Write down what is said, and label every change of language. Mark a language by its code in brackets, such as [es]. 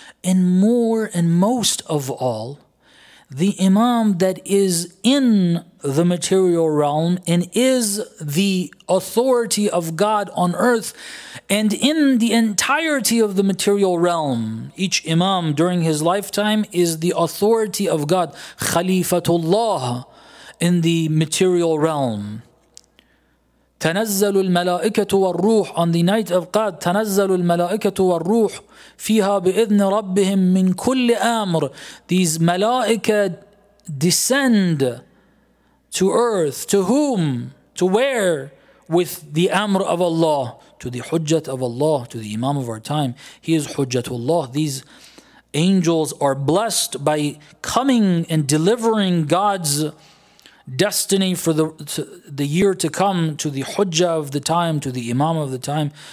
[en] And more and most of all, the Imam that is in the material realm and is the authority of God on earth and in the entirety of the material realm. Each Imam during his lifetime is the authority of God, Khalifatullah, in the material realm. [ar] تنزل الملائكة والروح. [en] On the night of Qad, [ar] تنزل الملائكة والروح فيها بإذن ربهم من كل أمر. [en] These ملائكه descend to earth. To whom? To where? With the Amr of Allah. To the Hujjat of Allah, to the Imam of our time. He is Hujjatullah. These angels are blessed by coming and delivering God's destiny for the year to come to the Hujjah of the time, to the Imam of the time.